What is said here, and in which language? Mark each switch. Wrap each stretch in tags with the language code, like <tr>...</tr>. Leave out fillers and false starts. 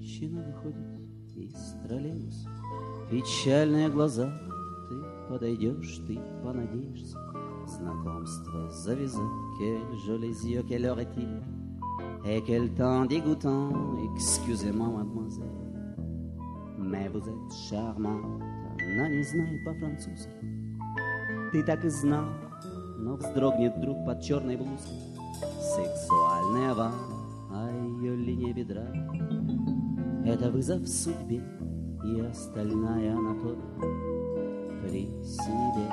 <ru>выходит из троллейбуса. Печальные глаза, ты подойдешь, ты понадеешься. Знакомство завязать.</ru> <fr>Quel joli yeux, quelle heure est-il? Et quel temps dégoûtant. Excusez-moi, mademoiselle, mais vous êtes charmante.</fr> <ru>Она не знает по-французски. Ты так и знал, но вздрогнет вдруг под черной блузкой. Сексуальная вам, а ее линия бедра — это вызов судьбе, и остальная она тоже при себе.</ru>